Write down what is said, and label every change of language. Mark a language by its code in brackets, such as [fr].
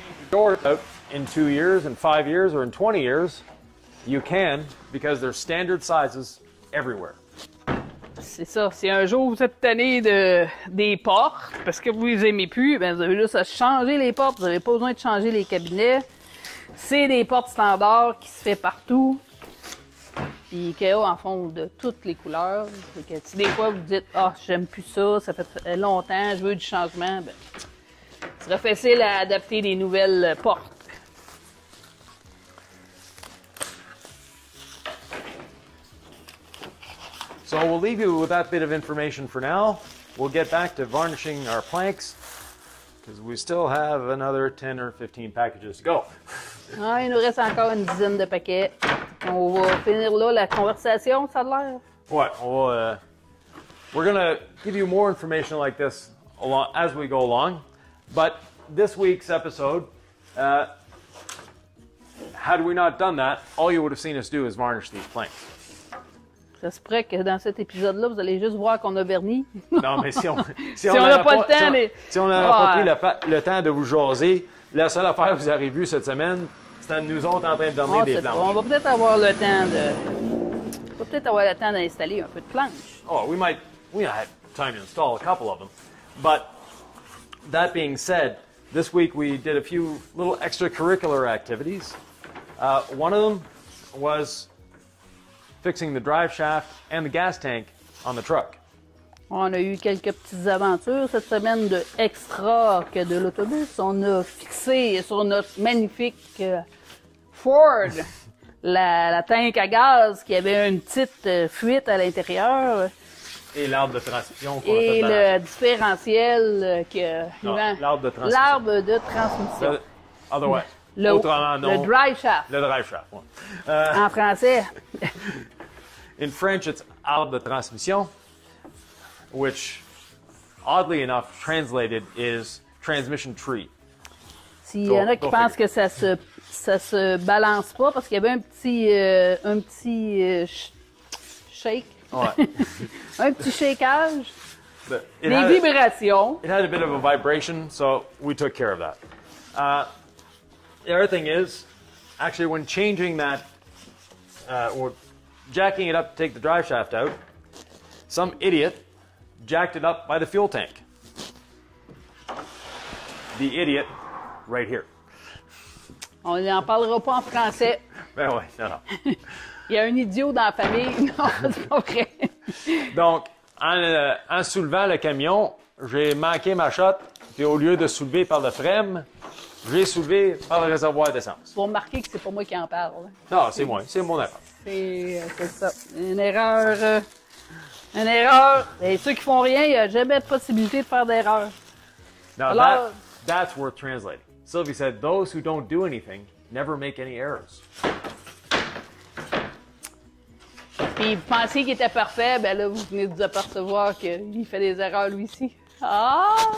[en] Doors out in 2 years, in 5 years, or in 20 years, you can, because they're standard sizes everywhere. [fr] C'est ça. Si un jour vous êtes tanné des portes, parce que vous les aimez plus, ben vous avez juste à changer les portes. Vous n'avez pas besoin de changer les cabinets. C'est des portes standards qui se fait partout. Puis IKEA en font de toutes les couleurs. Fait que si des fois vous dites « Ah, oh, j'aime plus ça, ça fait longtemps, je veux du changement », ben ce serait facile à adapter des nouvelles portes. [en] So we'll leave you with that bit of information for now. We'll get back to varnishing our planks because we still have another 10 or 15 packages to go. [fr] Ah, il nous reste encore une dizaine de paquets. On va finir là la conversation, ça a l'air. [en] What? We're gonna give you more information like this along as we go along. But this week's episode, had we not done that, all you would have seen us do is varnish these planks. [fr] Ça se pourrait que dans cet épisode-là, vous allez juste voir qu'on a verni. Non, mais si on n'a pas pris le temps de vous jaser, la seule affaire que vous avez vue cette semaine, c'est de nous autres en train de donner des planches. On va peut-être avoir le temps de. On va peut-être avoir le temps d'installer un peu de planches. [en] Oh, we might have time to install a couple of them. But that being said, this week we did a few little extracurricular activities. One of them was fixing the drive shaft and the gas tank on the truck. [fr] On a eu quelques petites aventures cette semaine de extra que de l'autobus. On a fixé sur notre magnifique Ford la tank à gaz qui avait une petite fuite à l'intérieur. Et l'arbre de transmission. Et le différentiel que l'arbre de transmission. [en] Otherwise. [fr] Autrement non. Le drive shaft. Le drive shaft. En français. [en] In French, it's [fr] arbre de transmission, [en] which, oddly enough, translated is transmission tree. [fr] S'il y en a qui pensent que ça se balance pas parce qu'il y avait un petit shake. Ouais. Un petit shakeage. Des vibrations. [en] It had a bit of a vibration, so we took care of that. The other thing is, actually, when changing that, or jacking it up to take the drive shaft out, some idiot jacked it up by the fuel tank. The idiot, right here. [fr] On n'en parlera pas en français. Ben oui, non, non. Il y a un idiot dans la famille. Non, c'est pas vrai. Donc, en soulevant le camion, j'ai manqué ma shot, puis au lieu de soulever par le frame, j'ai soulevé par le réservoir d'essence. Vous remarquez que c'est pas moi qui en parle. Non, c'est moi. C'est mon erreur. C'est ça. Une erreur Une erreur. Et ceux qui font rien, il n'y a jamais de possibilité de faire d'erreur. [en] Now, alors, that's worth translating. Sylvie said, those who don't do anything never make any errors. [fr] Puis vous pensiez qu'il était parfait, ben là, vous venez de vous apercevoir qu'il fait des erreurs lui aussi. Ah!